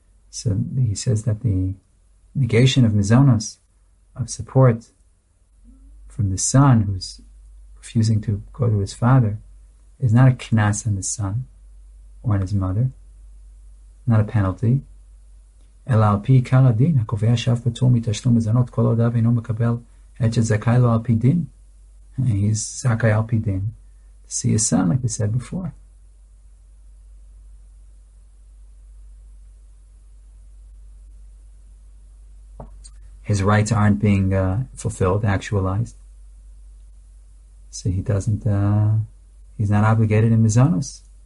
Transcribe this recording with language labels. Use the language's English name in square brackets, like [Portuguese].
[English] So he says that the negation of mizonos, of support from the son who's refusing to go to his father, is not a knas on the son or on his mother, not a penalty. [Hebrew] אלא על פי עיקר הדין, הקובע שאף פטור מתשלום מזונות, כל עודיו אינו מקבל עד שזכאי לו על פי דין. [English] He's [Hebrew] זכאי על פי דין. [English] See his son, like we said before. His rights aren't being fulfilled, actualized. So he doesn't, he's not obligated in mizonos.